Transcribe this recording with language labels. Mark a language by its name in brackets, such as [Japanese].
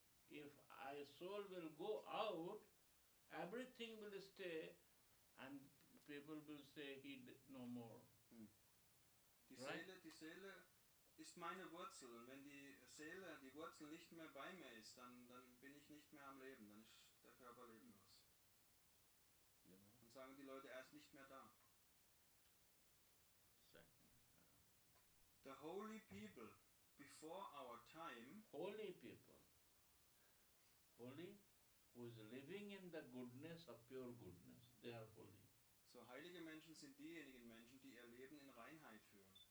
[English] If my soul will go out, everything will stay and people will say he no more. Hmm. [German] Die Seele ist meine Wurzel, und wenn die Seele, die Wurzel nicht mehr bei mir ist, dann bin ich nicht mehr am Leben, dann ist der Körper lebenlos. Genau. Dann sagen die Leute, er ist nicht mehr da. [English] The holy people before our time. Holy people. Holy, who is living in the goodness of pure goodness, they are holy. [German] So heilige Menschen sind diejenigen Menschen, die ihr Leben in Reinheit führen.